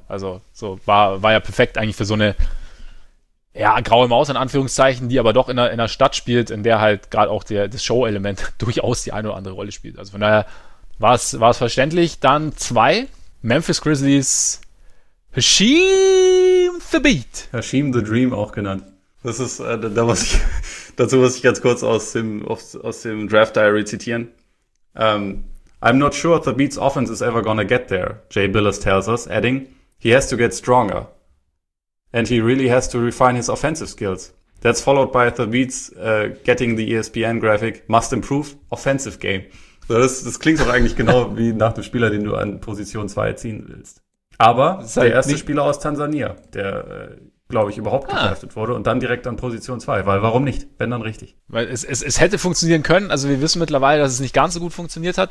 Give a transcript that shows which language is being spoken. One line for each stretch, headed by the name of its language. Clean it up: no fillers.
German: Also so war ja perfekt eigentlich für so eine ja, graue Maus in Anführungszeichen, die aber doch in einer Stadt spielt, in der halt gerade auch das Show-Element durchaus die eine oder andere Rolle spielt. Also von daher war es verständlich. Dann zwei, Memphis Grizzlies, Hashim the Beat. Hashim the Dream auch genannt. Das ist, dazu muss ich ganz kurz aus dem Draft Diary zitieren.
English: I'm not sure the Beat's offense is ever gonna get there, Jay Billis tells us, adding, he has to get stronger. And he really has to refine his offensive skills. That's followed by the Beats getting the ESPN graphic, must improve offensive game.
German: So das klingt doch eigentlich genau wie nach dem Spieler, den du an Position 2 ziehen willst. Aber der erste Spieler aus Tansania, der, glaube ich, überhaupt gedraftet wurde und dann direkt an Position 2. Weil warum nicht? Wenn dann richtig. Weil es hätte funktionieren können. Also wir wissen mittlerweile, dass es nicht ganz so gut funktioniert hat.